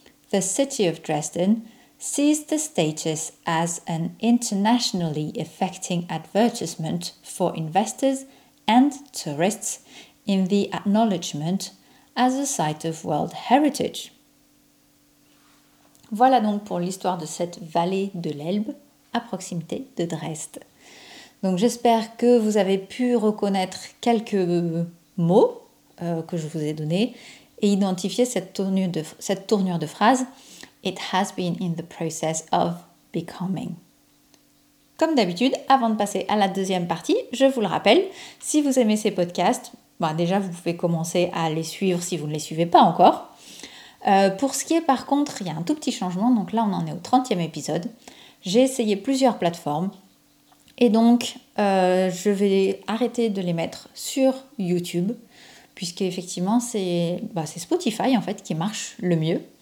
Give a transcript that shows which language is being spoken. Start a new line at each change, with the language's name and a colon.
English: The city of Dresden sees the status as an internationally affecting advertisement for investors and tourists in the acknowledgement as a site of world heritage.
French: Voilà donc pour l'histoire de cette vallée de l'Elbe à proximité de Dresde. Donc j'espère que vous avez pu reconnaître quelques mots que je vous ai donnés et identifier cette tournure de phrase.
English: It has been in the process of becoming.
French: Comme d'habitude, avant de passer à la deuxième partie, je vous le rappelle, si vous aimez ces podcasts, bah déjà vous pouvez commencer à les suivre si vous ne les suivez pas encore. Pour ce qui est par contre, il y a un tout petit changement, donc là on en est au 30e épisode. J'ai essayé plusieurs plateformes et donc je vais arrêter de les mettre sur YouTube, puisqu'effectivement c'est Spotify en fait qui marche le mieux.